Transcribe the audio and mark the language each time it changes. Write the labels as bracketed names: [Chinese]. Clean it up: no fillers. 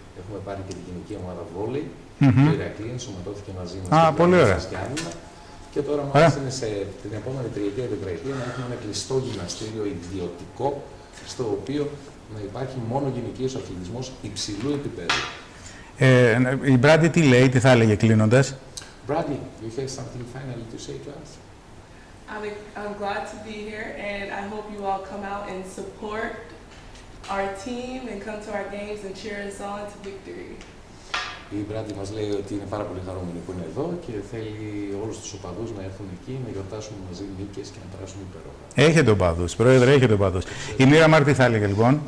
[Greek] Έχουμε πάρει και την γυναική ομάδα βόλη, mm-hmm. και η Ηρακλή ενσωματώθηκε μαζί μας. Α, πολύ ωραία. Και άλλα. Και το όραμά μας είναι σε την επόμενη τριετία, τετραετία να έχουμε ένα κλειστό γυμναστήριο ιδιωτικό, στο οποίο να υπάρχει μόνο γυναικείος αθλητισμός υψηλού επίπεδου. Η Μπράντι τι λέει, τι θα έλεγε κλείνοντας. [English] Μπράντι, you have something finally to say to us? I'm glad to be here and I hope you all come out and support our team and come to our games and cheer us on to victory. [Greek] Η Μπράντι μας λέει ότι είναι πάρα πολύ χαρούμενη που είναι εδώ και θέλει όλους τους οπαδούς να έρθουν εκεί, να γιορτάσουν μαζί νίκες και να περάσουν υπέροχα. Έχετε οπαδούς, πρόεδρε, έχετε οπαδούς. Η Μοίρα Μάρτη θα έλεγε λοιπόν.